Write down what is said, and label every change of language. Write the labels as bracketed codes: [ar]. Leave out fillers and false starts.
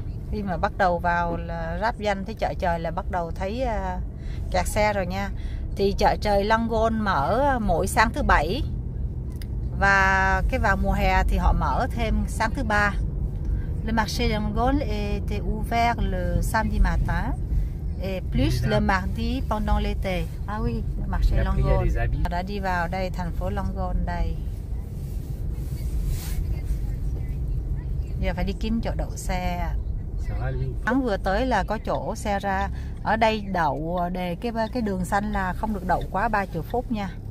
[vi] Khi mà bắt đầu vào là ráp danh thấy chợ trời là bắt đầu thấy kẹt xe rồi nha. Thì chợ trời Longon mở mỗi sáng thứ bảy, và cái vào mùa hè thì họ mở thêm sáng thứ ba. [fr] Le marché de Longon était ouvert le samedi matin et plus le mardi pendant l'été. Ah oui, le marché Longon. [vi] Đã đi vào đây, thành phố Longon đây. Giờ phải đi kiếm chỗ đậu xe. Hắn vừa tới là có chỗ xe ra. Ở đây đậu để cái đường xanh là không được đậu quá 30 phút nha.